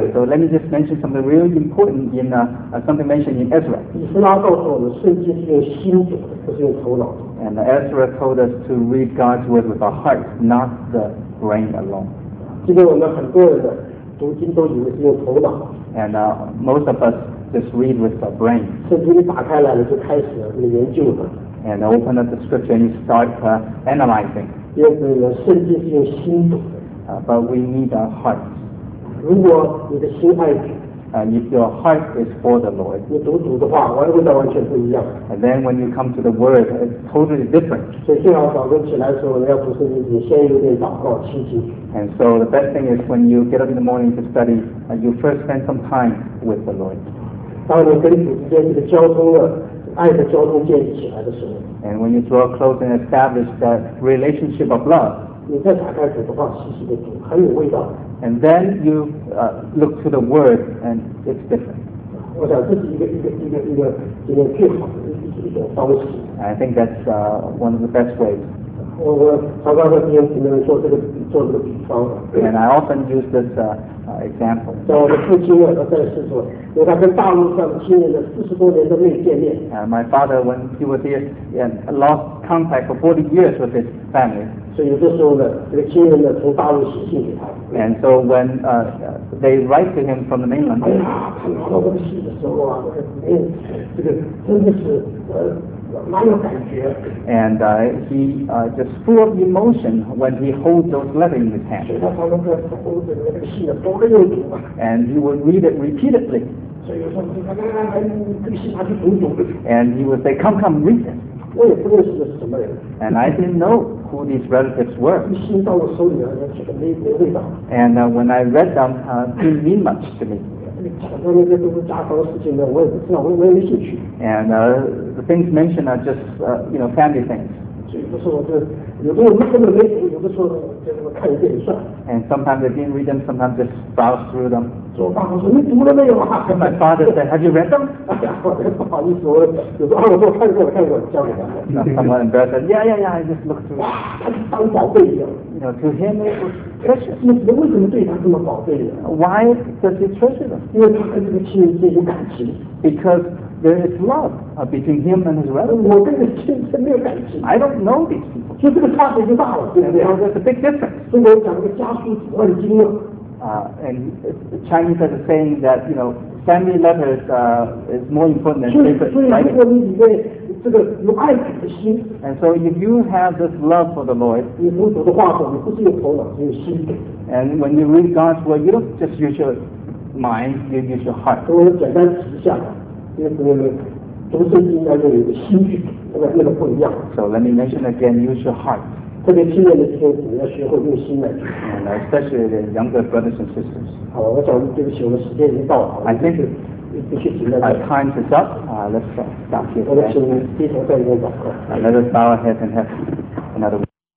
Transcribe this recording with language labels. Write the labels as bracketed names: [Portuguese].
[English] And so let me just mention something really important in something mentioned in Ezra. [Chinese] 以斯拉告诉我们，圣经是用心读，不是用头脑。 [English] And Ezra told us to read God's word with our heart, not the brain alone. [Chinese] 今天我们很多人的读经都以为是用头脑。 [English] And most of us just read with the brain. [Chinese] 圣经一打开来了，就开始你研究了。 [English] And open up the scripture and you start analyzing. [Chinese] 因此呢，圣经是用心读的。 [English] But we need our hearts. [Chinese] 如果你的心爱主。 [English] And if your heart is for the Lord, [Chinese] 你读主的话，味道完全不一样。 [English] And then when you come to the Word, it's totally different. [Chinese] 所以最好早上起来的时候要读圣经，你先有点祷告亲近。 [English] And so the best thing is when you get up in the morning to study, you first spend some time with the Lord. [Chinese] 当你跟主之间这个交通的爱的交通建立起来的时候。 [English] And when you draw close and establish that relationship of love, [Chinese] 你再打开主的话，细细的读，很有味道。 [English] And then you look to the word, and it's different. [Chinese] 我想这是一个最好的一种方式。 [English] I think that's one of the best ways. [Chinese] 我常常和弟兄姊妹做这个比方。 [English] And I often use this example. [Chinese] 在我的父亲啊，在世时，因为他跟大陆上亲人的40多年都没有见面。 [English] My father, when he was here, and lost contact for 40 years with his family. [Chinese] 所以有的时候呢，这个亲人呢，从大陆写信给他。 [English] And so when they write to him from the mainland, [Chinese] 哎呀，碰到这个信的时候啊，我的哎，这个真的是蛮有感觉。 [English] And he just full of emotion when he holds those letters in his hand. [Chinese] 所以他常常在读这个信的多了又读嘛。 [English] And he would read it repeatedly. [Chinese] 所以有时候他就哎，这个信他就读。 [English] And he would say, "Come, come, read it." [Chinese] 我也不认识这是什么人。 [English] And I didn't know. Who these relatives were. [Chinese] 一心到我手里了，觉得没味道。 [English] And when I read them, didn't mean much to me. [Chinese] 讲到那些都是家常的事情呢，我也不知道，我也没兴趣。 [English] And the things mentioned are just, you know, family things. [Chinese] 有的时候没读，有的时候就这么看一遍算。 [English] And sometimes I didn't read them, sometimes just browse through them. [Chinese] 我爸爸说你读了没有啊？ [English] And my father said, have you read them? [Chinese] 哎呀，不好意思，我有时候看过，交给他们。 [English] And someone embarrassed, yeah, I just looked through. [Chinese] 哇，他就当宝贝一样。 [English] You know, to him, it was precious. [Chinese] 你为什么对他这么宝贝呀？ [English] Why does he treasure them? [Chinese] 因为他跟这个亲人间有感情。 [English] Because there is love between him and his relatives. [Chinese] 我跟这个亲人没有感情。 [English] I don't know these people. [Chinese] 就这个差别就大了，对不对？ [English] That's a big difference. [Chinese] 中国人讲这个家书几万金呢。 [English] And Chinese has a saying that you know family letters is more important than paper. [Chinese] 所以如果你里面这个有爱主的心 [English] ，And so if you have this love for the Lord, [Chinese] 你读主的话语，你不是用头脑，是用心。 [English] And when you read God's word, you don't just use your mind, you use your heart. [Chinese] 我简单提一下，因为你们读圣经要有一个心去读。那个不一样。 [English] So let me mention again, use your heart. [Chinese] 特别亲爱的弟兄姊妹，要学会用心来读。 [English] And especially the younger brothers and sisters. [Chinese] 好，我想对不起，我们时间已经到了。 [English] I think our time is up. Let's stop here. [Chinese] 我们请低头再一个祷告。 [English] Let us bow our heads and have another word.